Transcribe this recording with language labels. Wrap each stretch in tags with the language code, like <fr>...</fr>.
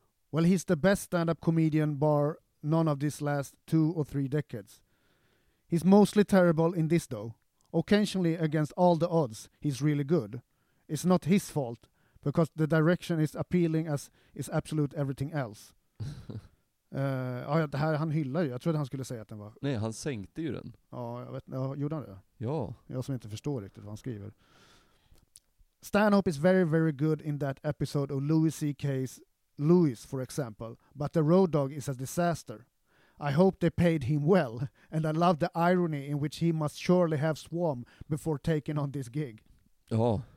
<en>Well, he's the best stand-up comedian bar... None of this last 2 or 3 decades. He's mostly terrible in this though. Occasionally against all the odds, he's really good. It's not his fault, because the direction is appealing as is absolute everything else.</en> <sv>det här, han hyllar ju. Jag trodde han skulle säga att den var... Nej, han sänkte ju den. Ja, jag vet, ja, gjorde han det? Ja. Jag som inte förstår riktigt vad han skriver.</sv> <en>Stanhope is very, very good in that episode of Louis C.K.'s Louis, for example, but the Road Dog is a disaster. I hope they paid him well, and I love the irony in which he must surely have swum before taking on this gig. Oh.</en>